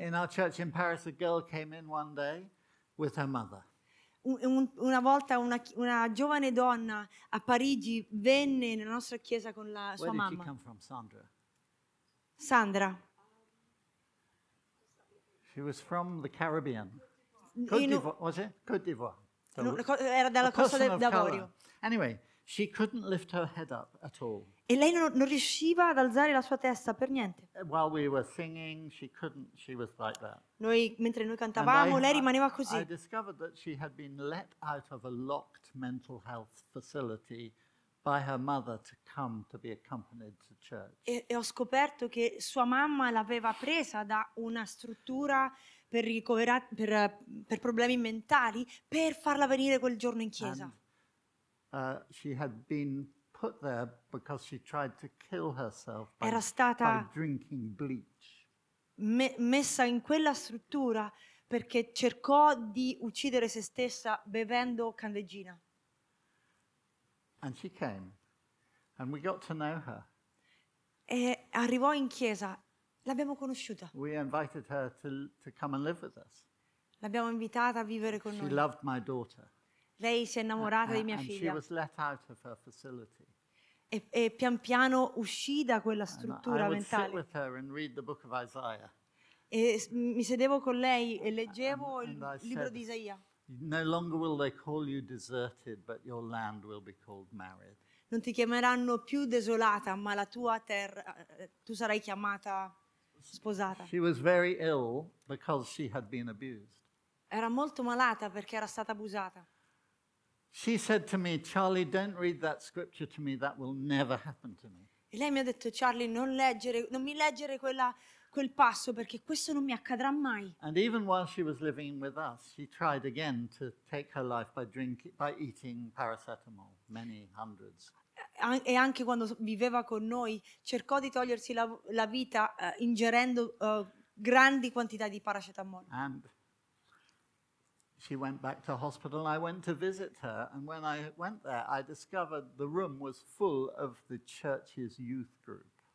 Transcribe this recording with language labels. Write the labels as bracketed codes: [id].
[en] In our church in Paris, a girl came in one day with her mother. [it] Una volta una giovane donna a Parigi venne nella nostra chiesa con la sua [en] where [it] mamma. [en] Did she come from, Sandra? Sandra. She was from the Caribbean. Côte d'Ivoire. [it] Era dalla costa d'Avorio. [en] Anyway, she couldn't lift her head up at all. [it] E lei non riusciva ad alzare la sua testa per niente. [en] While we were singing, she couldn't. She was like that. [it] Noi mentre noi cantavamo, [en] I, [it] lei rimaneva così. [en] I discovered that she had been let out of a locked mental health facility by her mother to come to be accompanied to church. [it] E ho scoperto che sua mamma l'aveva presa da una struttura per ricoverare per problemi mentali per farla venire quel giorno in chiesa. [en] She had been put there because she tried to kill herself by, [it] era stata [en] by drinking bleach. [it] Messa in quella struttura perché cercò di uccidere se stessa bevendo candeggina. [en] And she came and we got to know her. [it] E arrivò in chiesa, l'abbiamo conosciuta. [en] We invited her to come and live with us. [it] L'abbiamo invitata a vivere con [en] she [it] noi. [en] She loved my daughter. [it] Lei si è innamorata di mia [en] and [it] figlia. [en] She was let out of her facility. [it] E pian piano uscì da quella struttura mentale. [en] With her and read the book of Isaiah. [it] E mi sedevo con lei e leggevo il libro di Isaia. [en] No longer will they call you deserted, but your land will be called married. [it] Non ti chiameranno più desolata, ma la tua terra, tu sarai chiamata sposata. [en] She was very ill because she had been abused. [it] Era molto malata perché era stata abusata. [en] She said to me, Charlie, don't read that scripture to me, that will never happen to me. [it] E lei mi ha detto, Charlie, non mi leggere quel passo perché questo non mi accadrà mai. [en] And even while she was living with us, she tried again to take her life by eating paracetamol, many hundreds. [it] E anche quando viveva con noi, cercò di togliersi la vita ingerendo grandi quantità di paracetamol. [en] And she went back to hospital. I went to visit her, and when I went there, I discovered the room was full of the church's youth group.